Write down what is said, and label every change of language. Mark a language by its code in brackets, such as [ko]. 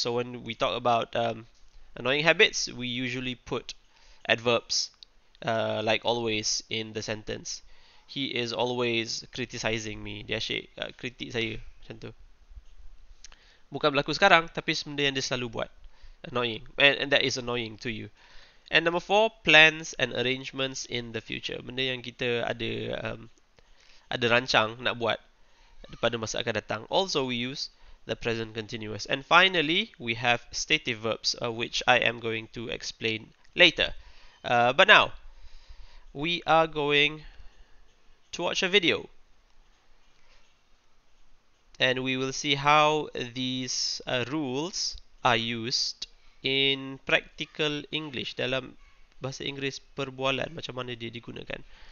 [en] So when we talk about annoying habits, we usually put adverbs like always in the sentence. He is always criticizing me. [ms] Dia asyik kritik saya, macam tu. Bukan berlaku sekarang, tapi benda yang dia selalu buat. Annoying. [en] And that is annoying to you. And number 4, plans and arrangements in the future. [ms] Benda yang kita ada ada rancang nak buat pada masa akan datang. [en] Also, we use the present continuous. And finally, we have stative verbs, which I am going to explain later. But now, we are going to watch a video. And we will see how these rules are used in practical English, [ms] dalam bahasa Inggeris perbualan, macam mana dia digunakan.